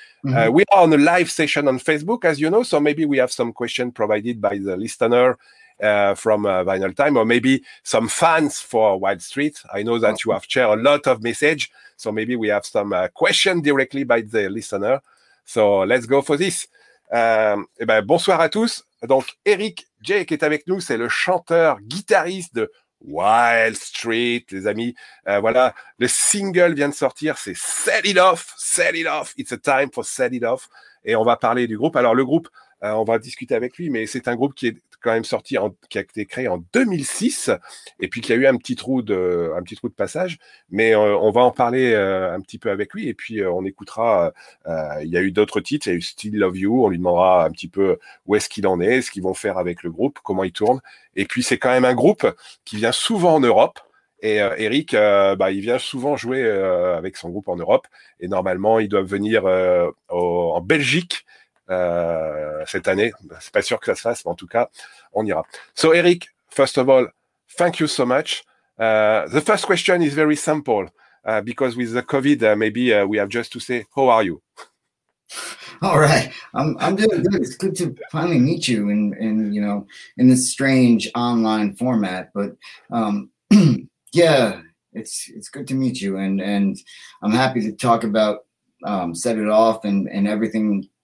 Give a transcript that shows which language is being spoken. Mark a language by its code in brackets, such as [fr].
[en] We are on a live session on Facebook, as you know, so maybe we have some questions provided by the listener from Vinyl Time, or maybe some fans for Wild Street. I know that you have shared a lot of message, so maybe we have some questions directly by the listener. So let's go for this. [fr] Bonsoir à tous. Donc, Eric Jake est avec nous, c'est le chanteur, guitariste de Wild Street, les amis. Voilà, le single vient de sortir, c'est Set It Off, Set It Off, [en] it's a time for Set It Off. [fr] Et on va parler du groupe. Alors, le groupe, on va discuter avec lui, mais c'est un groupe qui est quand même sorti, qui a été créé en 2006, et puis qui a eu un petit trou de passage. Mais on va en parler un petit peu avec lui, et puis on écoutera, il y a eu d'autres titres, il y a eu Still Love You, on lui demandera un petit peu où est-ce qu'il en est, ce qu'ils vont faire avec le groupe, comment il tourne. Et puis, c'est quand même un groupe qui vient souvent en Europe, et Eric, il vient souvent jouer avec son groupe en Europe, et normalement, ils doivent venir en Belgique, cette année. C'est pas sûr que ça se fasse, mais en tout cas, on ira. [en] So, Eric, first of all, thank you so much. The first question is very simple, because with the COVID, maybe we have just to say, how are you? All right. I'm doing good. It's good to finally meet you in this strange online format, but yeah, it's good to meet you, and I'm happy to talk about Set It Off and everything.